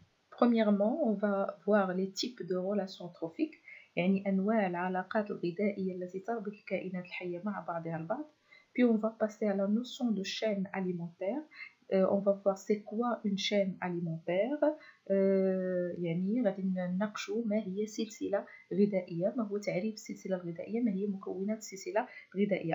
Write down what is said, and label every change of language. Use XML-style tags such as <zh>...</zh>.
<fr>Premièrement, on va voir les types de relations trophiques,</fr> <ar>يعني أنواع العلاقات الغذائية التي تربط الكائنات الحية مع بعضها البعض.</ar> <fr>Puis on va passer à la notion de chaîne alimentaire. On va voir c'est quoi une chaîne alimentaire.</fr> <ar>يعني غادي نناقشوا ما هي سلسلة غذائية, ما هو تعريف السلسلة الغذائية, ما هي مكونات السلسلة الغذائية.</ar>